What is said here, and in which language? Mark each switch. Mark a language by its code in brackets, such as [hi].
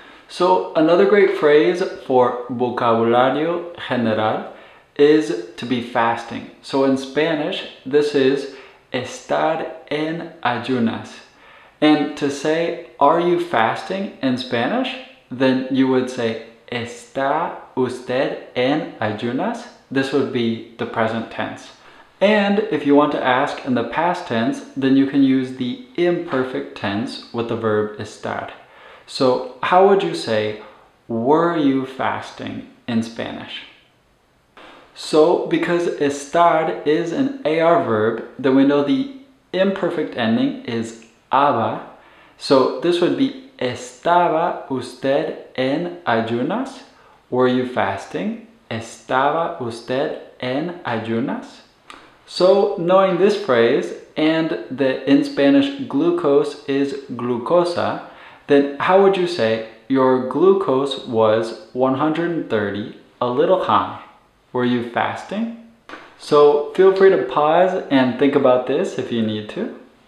[en] So another great phrase for vocabulario general is to be fasting. So in Spanish, this is [es] estar en ayunas. [en] And to say, are you fasting in Spanish? Then you would say, [es] ¿está usted en ayunas? [en] This would be the present tense. And if you want to ask in the past tense, then you can use the imperfect tense with the verb estar. So how would you say, were you fasting in Spanish? So because estar is an AR verb, then we know the imperfect ending is aba. So this would be, [es] ¿estaba usted en ayunas? [en] Were you fasting? [es] ¿Estaba usted en ayunas? [en] So knowing this phrase, and that in Spanish glucose is glucosa, then how would you say your glucose was 130, a little high? Were you fasting? So feel free to pause and think about this if you need to.